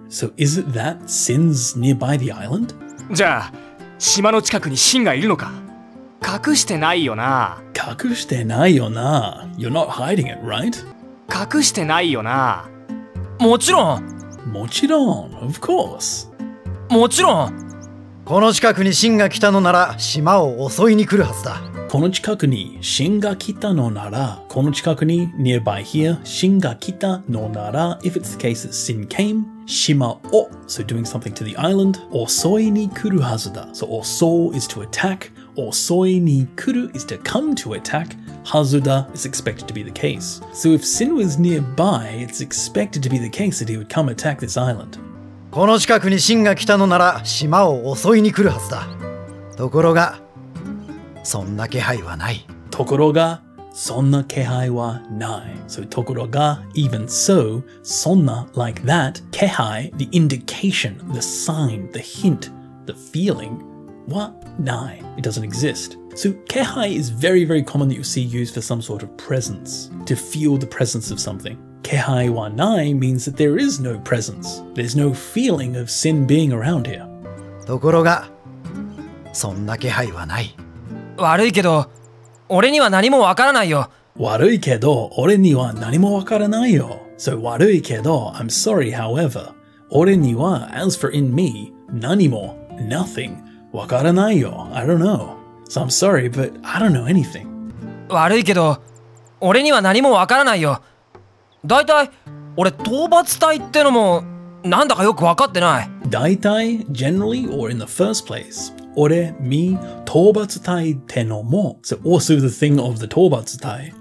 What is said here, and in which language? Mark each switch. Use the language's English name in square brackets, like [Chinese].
[English] So, is it that シン's nearby the island? [Japanese] じゃあ、島の近くにシンがいるのか。隠してないよな。隠してないよな。 [English] You're not hiding it, right? [Japanese] 隠してないよな。もちろん。もちろん。 [English] Of course。 [Japanese] もちろん。この近くにシンが来たのなら、島を襲いに来るはずだ。この近くにシンが来たのなら、この近くに [English] nearby here [Japanese] シンが来たのなら、 [English] if it's the case that Shin came, [Japanese] 島を [English] so doing something to the island [Japanese] 襲いに来るはずだ。 [English] So 襲う is to attack。襲いに来る is to come to attack. はずだ is expected to be the case. So if Sin was nearby, it's expected to be the case that he would come attack this island. [Japanese] この近くにシンが来たのなら、島を襲いに来るはずだ。ところが、そんな気配はない。ところが、そんな気配はない。 [English] So [Japanese] ところが、 [English] even so, [Japanese] そんな [English] like that, 気配, the indication, the sign, the hint, the feeling, [Japanese] はない. [English] It doesn't exist. So, kehai is very, very common that you see used for some sort of presence, to feel the presence of something. [Japanese] Kehai wa nai [English] means that there is no presence. There's no feeling of sin being around here. [Japanese] ところが、そんな気配はない。悪いけど、俺には何もわからないよ。悪いけど、俺には何もわからないよ。 [English] So, [Japanese] 悪いけど、 [English] I'm sorry, however, [Japanese] 俺には、 [English] as for in me, [Japanese] 何も、 [English] nothing, [Japanese] わからないよ。 [English] I don't know. So I'm sorry, but I don't know anything. [Japanese] 悪いけど、俺には何もわからないよ。だいたい、俺討伐隊ってのもなんだかよく分かってない。大体、 [English] generally or in the first place。 [Japanese] 俺、み、討伐隊ってのも。 [English] So also the thing of the 討伐隊。